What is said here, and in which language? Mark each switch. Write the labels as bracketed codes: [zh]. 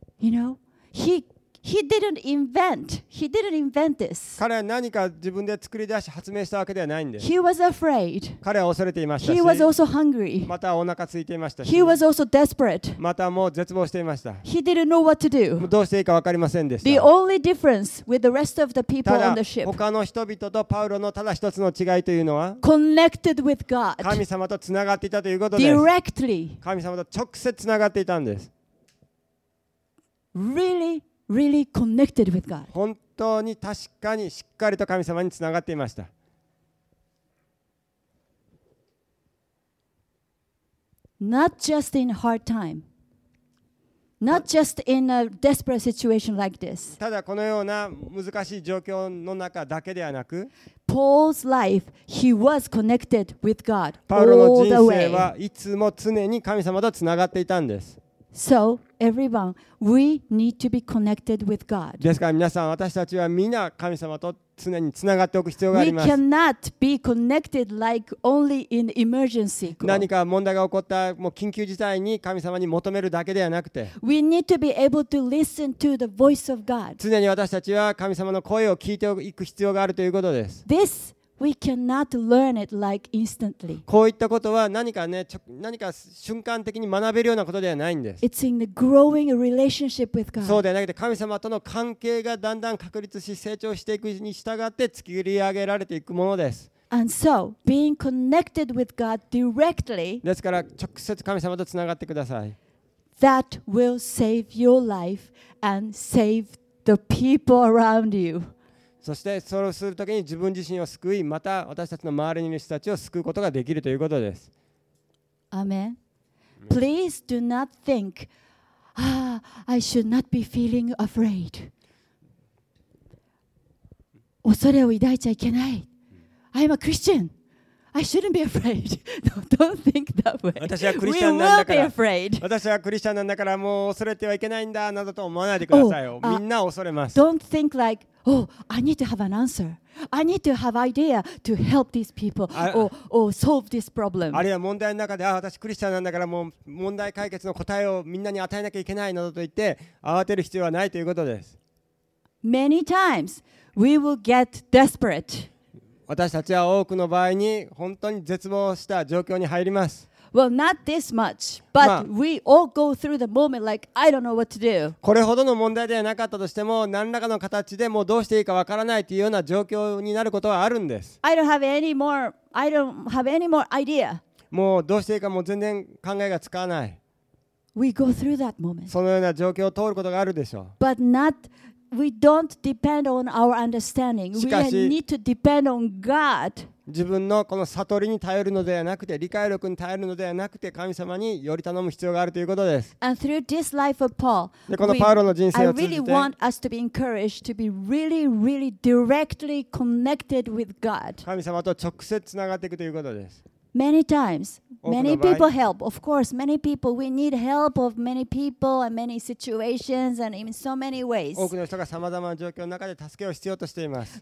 [en] You know, he didn't invent this. [ja] 彼は何か自分で作り出し発明したわけではないんです。 [en] He was afraid. [ja] 彼は恐れていましたし、 [en] He was also hungry. [ja] またお腹空いていましたし、 [en] He was also desperate. [ja] またもう絶望していました。 [en] He didn't know what to do. [ja] どうしていいか分かりませんでした。 [en] The only difference with the rest of the people on the ship. [ja] ただ他の人々とパウロのただ一つの違いというのは、 [en] connected with God. [ja] 神様とつながっていたということです。 [en] Directly. [ja] 神様と直接つながっていたんです。 [en] Really? Really connected with God. [ja] 本当に確かにしっかりと神様につながっていました。 [en] Not just in hard time. Not just in a desperate situation like this. [ja] ただこのような難しい状況の中だけではなく、 [en] Paul's life, he was connected with God all the way. [ja] パウロの人生はいつも常に神様とつながっていたんです。 [en] So, everyone, we need to be connected with God. [ja] ですから皆さん、私たちはみんな神様と常につながっておく必要があります。 [en] We cannot be connected like only in emergency. [ja] 何か問題が起こったもう緊急事態に神様に求めるだけではなくて、 [en] We need to be able to listen to the voice of God. [ja] 常に私たちは神様の声を聞いていく必要があるということです。 [en] This We cannot learn it like instantly. [ja] こういったことは何か瞬間的に学べるようなことではないんです。 [en] It's in the growing relationship with God. [ja] そうではなくて、神様との関係がだんだん確立し成長していくに従って作り上げられていくものです。 [en] And so, being connected with God directly. [ja] ですから直接神様とつながってください。 [en] That will save your life and save the people around you. [ja] そしてそれをするときに自分自身を救い、また私たちの周りにいる人たちを救うことができるということです。アメン。 [en] Please do not think, I should not be feeling afraid. [ja] 恐れを抱いちゃいけない。 [en] I am a Christian. I shouldn't be afraid. No, don't think that way. [ja] 私はクリスチャンなんだから。私はクリスチャンなんだからもう恐れてはいけないんだなどと思わないでくださいよ。みんな恐れます。 [en] Don't think likeOh, I need to have an answer. I need to have idea to help these people or solve this problem. [ja] あるいは問題の中で、ああ、私クリスチャンなんだからもう問題解決の答えをみんなに与えなきゃいけないなどと言って慌てる必要はないということです。 [en] Many times we will get desperate. [ja] 私たちは多くの場合に本当に絶望した状況に入ります。 [en] Well, not this much, but we all go through the moment like I don't know what to do. [ja] これほどの問題ではなかったとしても、何らかの形でもうどうしていいかわからないというような状況になることはあるんです。 [en] I don't have any more idea. [ja] もうどうしていいかもう全然考えがつかない。 [en] We go through that moment. [ja] そのような状況を通ることがあるでしょう。 [en] But not, we don't depend on our understanding. We need to depend on God. [ja] 自分のこの悟りに頼るのではなくて、理解力に頼るのではなくて、神様により頼む必要があるということです。 [en] And through this life of Paul, [ja] でこのパウロの人生を通じて、 [en] I really want us to be encouraged to be really, really directly connected with God. [ja] 神様と直接つながっていくということです。 [en] Many times, many people help. Of course, many people, we need help of many people and many situations and in so many ways. [ja] 多くの人が様々な状況の中で助けを必要としています。